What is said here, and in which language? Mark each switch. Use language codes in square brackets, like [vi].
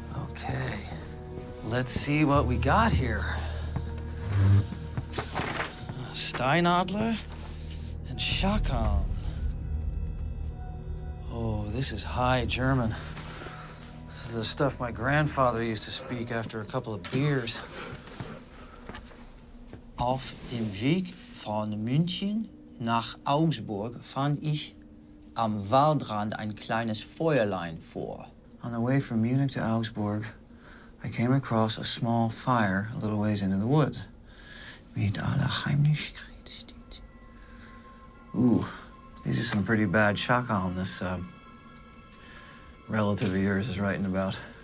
[en] Okay, let's see what we got here. Steinadler and Schakon. Oh, this is high German. This is the stuff my grandfather used to speak after a couple of beers. [de] Auf dem Weg von München nach Augsburg fand ich am Waldrand ein kleines Feuerlein vor. [en] On the way from Munich to Augsburg, I came across a small fire a little ways into the woods. [de] Mit aller Heimlichkeit steht. [en] Ooh, these are some pretty bad Schakon this relative of yours is writing about.